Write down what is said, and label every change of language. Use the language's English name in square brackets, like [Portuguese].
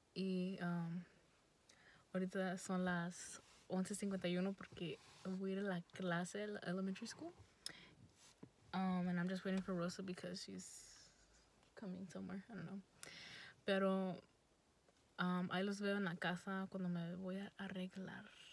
[Spanish] Y ahorita son las 11:51 porque voy a ir a la clase de elementary school. [English] And I'm just waiting for Rosa because she's coming somewhere. I don't know. [Spanish] Pero ahí los veo en la casa cuando me voy a arreglar.